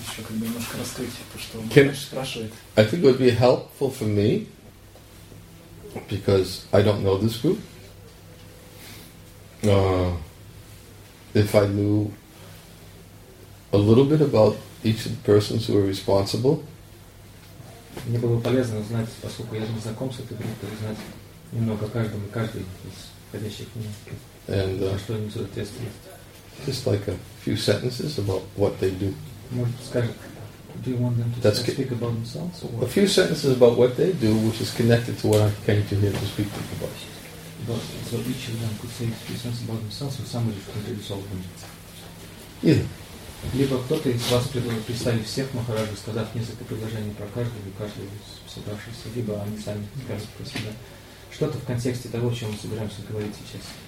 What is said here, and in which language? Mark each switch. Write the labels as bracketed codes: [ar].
[en] I think it would be helpful for me because I don't know this group. If I knew a little bit about each of the persons who are responsible, [ru] мне было полезно узнать, поскольку я не знаком с этой группой, узнать немного каждый из входящих в нее, что они за ответственность. [en] Just like a few sentences about what they do. Do you want them to speak about themselves? Or a few sentences about what they do, which is connected to what I came to hear to speak to them about. But, so each of them could say a few sentences about themselves, or somebody could introduce all of them? Either. [ru] Либо кто-то из вас представит всех Махараджу, сказав несколько предложений про каждого из собравшихся, либо они сами скажут про себя. Что-то в контексте того, о чем мы собираемся говорить сейчас.